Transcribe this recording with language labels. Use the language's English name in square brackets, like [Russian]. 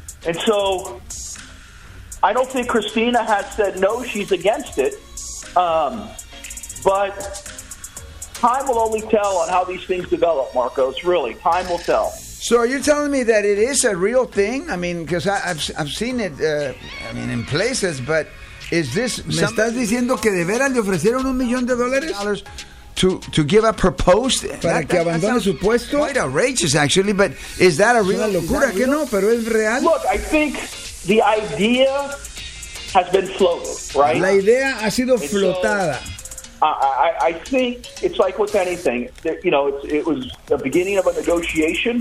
[English] And so I don't think Christina has said no, she's against it. But time will only tell on how these things develop, Marcos. Really, time will tell. So are you telling me that it is a real thing? I mean, because I've seen it in places, but is this... [Spanish] ¿Me estás diciendo que de veras le ofrecieron $1,000,000? [English] To give up her post, [Spanish] para que abandone su puesto. [English] Quite outrageous, actually, but is that a real [Spanish] locura? Que no, pero es real. [English] Look, I think the idea has been floated, right? [Spanish] La idea ha sido flotada. [English] I think it's like with anything, you know, it was the beginning of a negotiation.